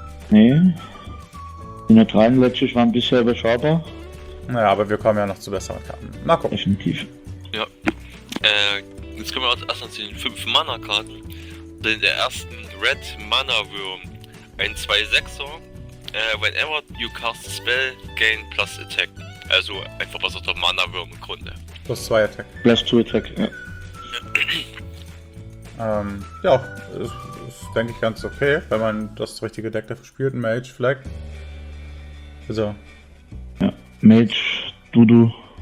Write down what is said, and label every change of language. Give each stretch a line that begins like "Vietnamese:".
German: Nee. Die neutralen Legis waren bisher überschaubar. Naja, aber wir kommen ja noch zu besseren Karten. Mal gucken. Definitiv. Ja, jetzt kommen wir erstmal zu den 5 Mana-Karten. In der ersten Red Mana Worm. Ein 2-6er.
English: Whenever you cast a spell, gain plus attack.
German: Also ein verbesserter Mana Worm im Grunde. Plus 2 Attack. Plus 2 Attack, ja. ja, ist denke ich ganz okay, wenn man das richtige Deck dafür spielt, ein Mage Flag. Also. Ja, Mage, Dudu.